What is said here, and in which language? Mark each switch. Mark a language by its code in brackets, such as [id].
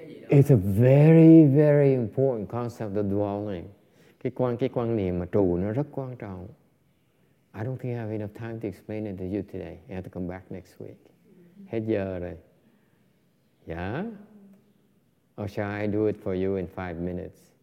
[en] It's a very, very important concept of dwelling. [vi] Cái quan niệm mà trụ nó rất quan trọng. [en] I don't think I have enough time to explain it to you today. I have to come back next week. Mm-hmm. [vi] Hết giờ rồi. [en] Yeah? Or shall I do it for you in 5 minutes?